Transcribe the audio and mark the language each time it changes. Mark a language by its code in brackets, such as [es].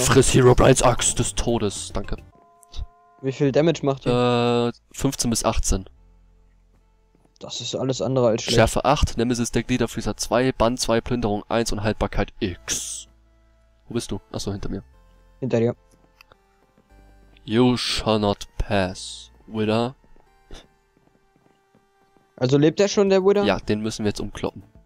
[de] Friss Herobrine's Axt des Todes. Danke. Wie viel Damage macht ihr? 15 bis 18. Das ist alles andere als schlecht. Schärfe 8, Nemesis der Gliederfüßer 2, Band 2, Plünderung 1 und Haltbarkeit X. Wo bist du? Achso, hinter mir. Hinter dir. [en] You shall not pass, Wither. [de] Also lebt er schon, der Wither? Ja, den müssen wir jetzt umkloppen.